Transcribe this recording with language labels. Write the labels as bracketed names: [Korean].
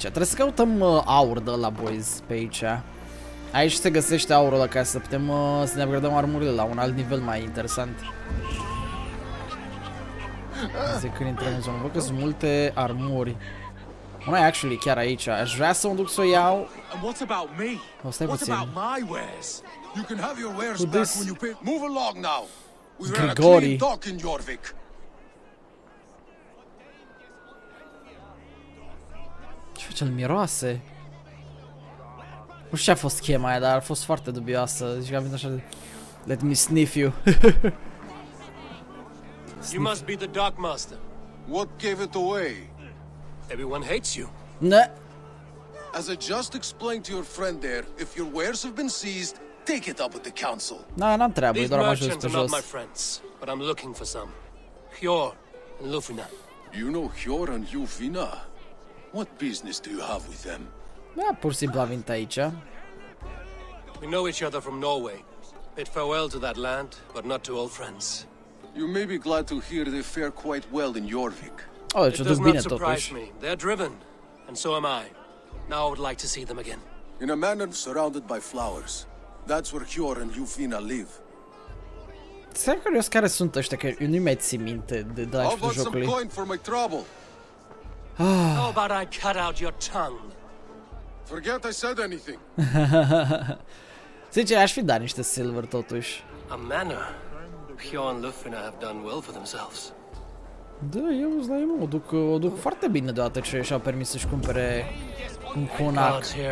[Romanian] Trebuie să căutăm aur de la boys pe aici. Aici se găsește aurul ăla ca să putem să ne upgradăm armurile la un alt nivel mai interesant. Zic când intrăm în zonă. Văd că sunt multe armuri. Una e actually chiar aici. Aș vrea să mă duc să o iau. O, stai puțin. O, stai puțin. [English] You can have your wares back when you pay. Move along now. We're Grigori. At a clean dock in Jorvik. [Romanian] Ce face, îl miroase? Nu știu ce a fost chema aia, dar a fost foarte dubioasă. Zici că a venit așa de... Let me sniff you. [English] You must be the dockmaster. What gave it away? Everyone hates you. Ne? As I just explained to your friend there, if your wares have been seized, take it up with the council. [Romanian] No, nah, n-am treabă, doar am ajuns pe jos. [English] My friends, but I'm looking for some. Hjor and Lufina. You know Hjor and Lufina? What business do you have with them? [Romanian] Da, pur și simplu a venit aici. [English] We know each other from Norway. Bid farewell to that land, but not to old friends. You may be glad to hear they fare quite well in Jorvik. [Romanian] Oh, deci o duc bine totuși. [English] Me. They're driven, and so am I. Now I would like to see them again. In a manor surrounded by flowers. That's where Hjor and Lufina live. [Romanian] Sunt curios care sunt ăștia, că eu nu-i mai țin minte de la știu jocului. [English] How about some coin for my trouble? How about I cut out your tongue? Forget I said anything. [Romanian] Sincer, aș fi dat niște silver totuși. [English] A manor. Pio and Lufina have done well for themselves. [Romanian] Da, eu îți dai, mă, o duc foarte bine deodată ce și-au permis să-și cumpere un conac.